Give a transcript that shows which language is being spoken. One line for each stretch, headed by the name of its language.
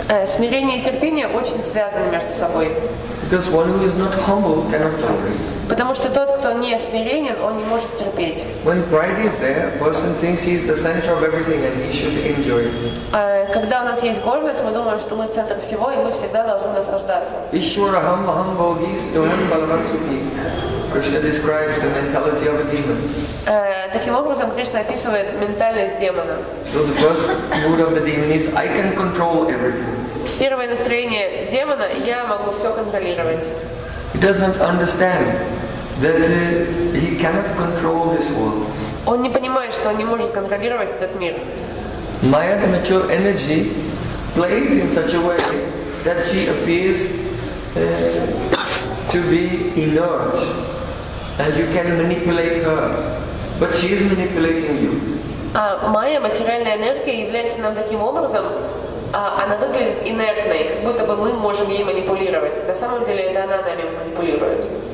Russian: Смирение и терпение очень связаны между собой.
English: Because one who is not humble cannot tolerate.
Russian: Потому что тот, кто не смиренен, он не может терпеть.
English: When pride is there, person thinks he is the center of everything and he should enjoy it.
Russian: Когда у нас есть гордость, мы думаем, что мы центр всего, и мы всегда должны наслаждаться.
Sanskrit: Ishwara Hamaham Bhogis Dhan Balvatsuki.
English: Krishna describes the mentality of a demon.
Russian: Таким образом, Кришна описывает ментальность демона.
English: So the first mood of the demon is I can control everything.
Russian: Первое настроение демона – я могу все контролировать.
English: He does not understand that he cannot control this world.
Russian: Он не понимает, что он не может контролировать этот мир.
English: Maya, the material energy, plays in such a way that she appears to be inert, and you can manipulate her, but she is manipulating you.
Russian: Майя, материальная энергия, является нам таким образом, она выглядит инертной, как будто бы мы можем ей манипулировать. На самом деле это она нами манипулирует.